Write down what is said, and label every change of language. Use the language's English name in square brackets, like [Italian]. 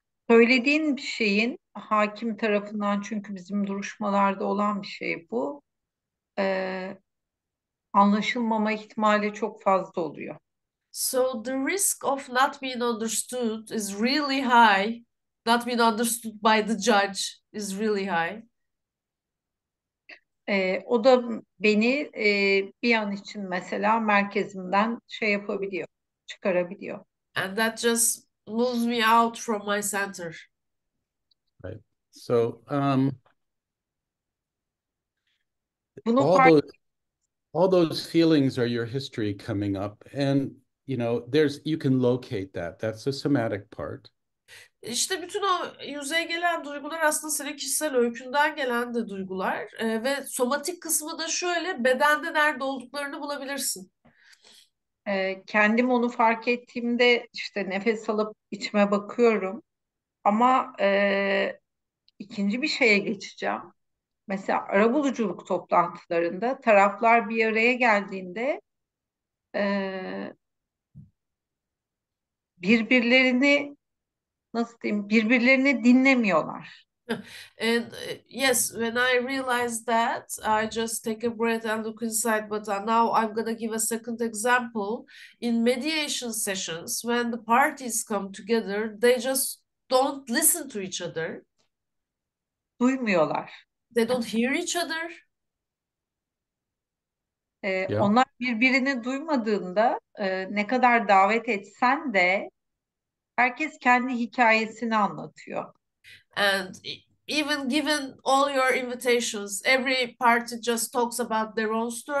[Turkish] Söylediğin bir şeyin hakim tarafından, çünkü bizim duruşmalarda olan bir şey bu. Anlaşılmama ihtimali çok fazla oluyor. [English] So the risk of not being understood is really high. Not being understood by the judge is really high. [Turkish] O da beni bir an için mesela merkezimden şey yapabiliyor, çıkarabiliyor. [English] And that just moves me out from my center. Right. So, [Turkish] Bunu fark [English] all those feelings are your history coming up, and you know, there's you can locate that. That's the somatic part. [Turkish] İşte bütün o yüzeye gelen duygular aslında senin kişisel öykünden gelen de duygular. Ve somatik kısmı da şöyle, bedende nerede olduklarını bulabilirsin. Kendim onu fark ettiğimde işte nefes alıp içime bakıyorum. Ama ikinci bir şeye geçeceğim. Mesela arabuluculuk toplantılarında taraflar bir araya geldiğinde birbirlerini, nasıl diyeyim, birbirlerini dinlemiyorlar. [English] And yes, when I realized that, I just take a breath and look inside. But now I'm gonna give a second example. In mediation sessions, when the parties come together, they just don't listen to each [Turkish] Duymuyorlar. [English] other. They don't hear each other. Yeah. [Turkish] Onlar birbirini duymadığında ne kadar davet etsen de herkes kendi hikayesini anlatıyor. [English] And even given all your invitations, every party just talks about their own